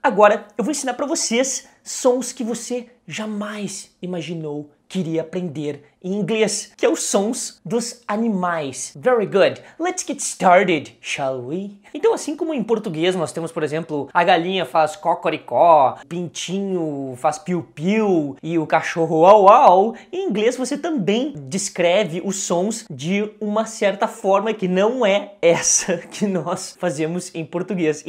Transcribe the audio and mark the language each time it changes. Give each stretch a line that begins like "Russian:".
Portuguese: Agora, eu vou ensinar para vocês sons que você jamais imaginou que iria aprender em inglês, que é os sons dos animais.
English: Very good. Let's get started, shall we?
Portuguese: Então, assim como em português nós temos, por exemplo, a galinha faz cocoricó, pintinho faz piu-piu e o cachorro au-au, em inglês você também descreve os sons de uma certa forma que não é essa que nós fazemos em português.